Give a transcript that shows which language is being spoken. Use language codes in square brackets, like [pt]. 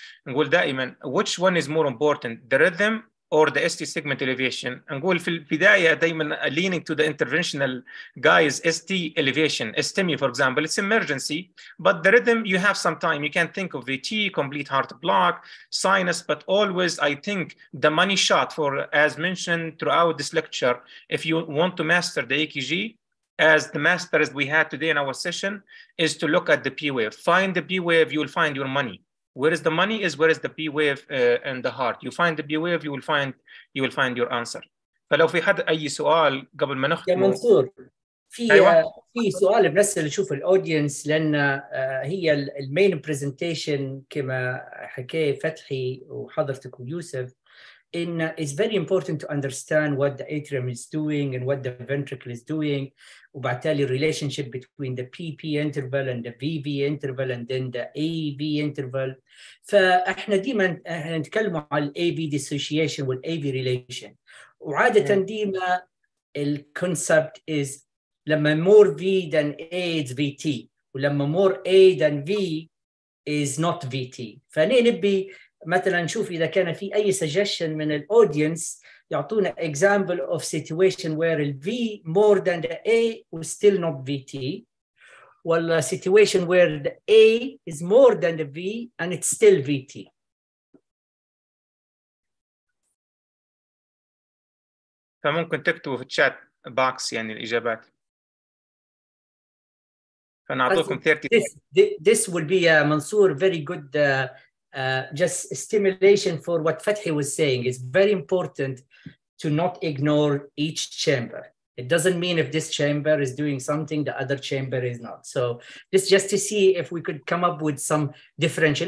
[ar] نقول دائما [en] which one is more important the rhythm or the ST segment elevation [ar] نقول في البدايه دائما [en] leaning to the interventional guys ST elevation STEMI for example it's emergency but the rhythm you have some time you can think of VT complete heart block sinus but always I think the money shot for as mentioned throughout this lecture if you want to master the EKG as the master as we had today in our session is to look at the P wave find the P wave you will find your money Where is the money is where is the B wave and the heart. You find the B wave, you will find your answer. [ar] فلو في حد أي سؤال قبل ما نختم. يا منصور في في سؤال بس اللي شوف الأودينس لأن هي المين برزنتيشن كما حكي فتحي وحضرتك ويوسف إن [en] it's very important to understand what the atrium is doing [ar] and what the ventricle is doing. وبالتالي [en] relationship between the PP interval and the VV interval and then the AV interval. [ar] فإحنا ديما نتكلم على AV dissociation والAV relation. وعادة ديما [en] الconcept is [ar] لما [en] more V than A is VT [ar] ولما [en] more A than V is not VT. [ar] فأني نبي مثلا نشوف إذا كان في أي [en] suggestion [ar] من الaudience يعطونا [en] example of situation where the V more than the A was still not VT [ar] ولا [en] situation where the A is more than the V and it's still VT [ar] فممكن تكتبوا في الشات باكس يعني الإجابات فنعطوكم 30 [en] this will be منصور very good just stimulation for what Fathi was saying is very important to not ignore each chamber. It doesn't mean if this chamber is doing something, the other chamber is not. So this just to see if we could come up with some differential.